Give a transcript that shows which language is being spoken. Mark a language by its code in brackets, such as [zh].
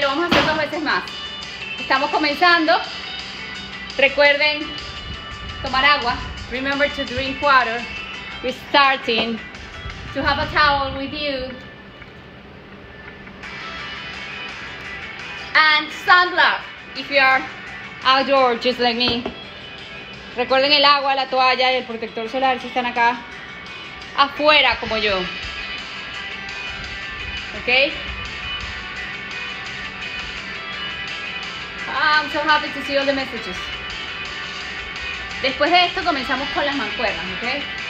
[es] Lo vamos a hacer 2 veces más. Estamos comenzando. Recuerden tomar agua. [en] Remember to drink water. We're starting to have a towel with you. And sunblock, if you are outdoors, just like me. [es] Recuerden el agua, la toalla y el protector solar si están acá afuera como yo. [en] Ok. I'm so happy to see all the messages. [es] Después de esto comenzamos con las mancuernas, ok.